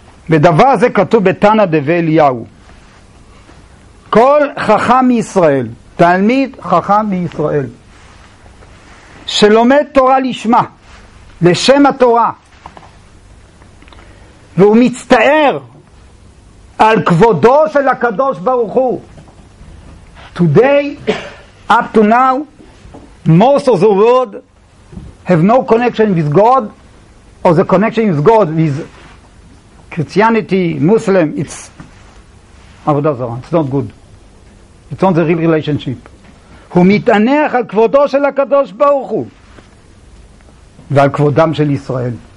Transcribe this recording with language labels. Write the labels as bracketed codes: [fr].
[he] בדבר הזה כתוב בתנא דבי אליהו. כל חכם מישראל, תלמיד חכם בישראל, שלומד תורה לשמה, לשם התורה, והוא מצטער על כבודו של הקדוש ברוך הוא. [en] Today, up to now, most of the world have no connection with God, or the connection with God is Christianity, Muslim, it's עבודה זרה, it's not good. It's not the real relationship. [he] הוא מתענח על כבודו של הקדוש ברוך הוא ועל כבודם של ישראל.